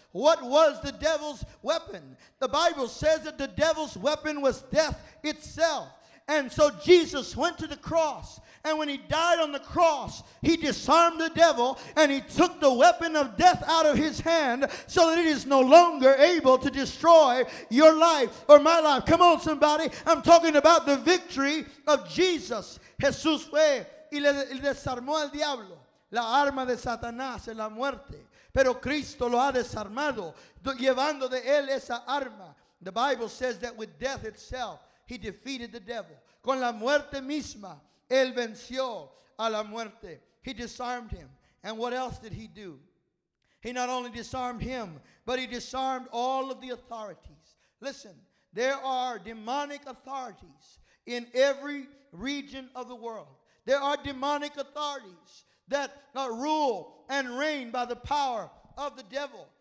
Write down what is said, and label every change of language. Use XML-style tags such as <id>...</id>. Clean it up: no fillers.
<en>What was the devil's weapon? The Bible says that the devil's weapon was death itself. And so Jesus went to the cross. And when he died on the cross, he disarmed the devil and he took the weapon of death out of his hand so that it is no longer able to destroy your life or my life. Come on, somebody. I'm talking about the victory of Jesus.</en> <es>Jesús fue y le desarmó al diablo la arma de Satanás en la muerte. Pero Cristo lo ha desarmado, llevando de él esa arma.</es> <en>The Bible says that with death itself, he defeated the devil.</en> <es>Con la muerte misma, él venció a la muerte.</es> <en>He disarmed him. And what else did he do? He not only disarmed him, but he disarmed all of the authorities. Listen, there are demonic authorities in every region of the world. There are demonic authorities that rule and reign by the power of the devil.</en>